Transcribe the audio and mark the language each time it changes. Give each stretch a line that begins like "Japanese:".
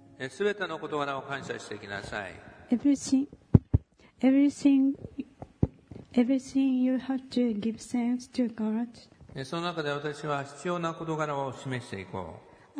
Japanese: すべての事柄を感謝してきなさい。
English: Everything, everything, everything you have to give thanks to God.
Japanese: その中で私は必要な事柄を示していこう。